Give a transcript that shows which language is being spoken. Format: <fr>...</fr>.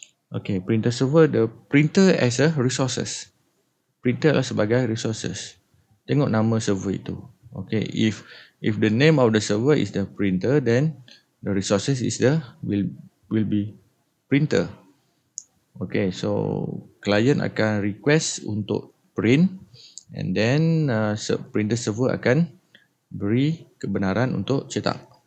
<en>Okay, printer server, the printer as a resources.</en> <ms>Printer adalah sebagai resources. Tengok nama server itu.</ms> <en>Okay, if the name of the server is the printer, then the resources is the will be printer.</en> <ms>Okay, so client akan request untuk print</ms> <en>and then</en> <ms>printer server akan beri kebenaran untuk cetak.</ms>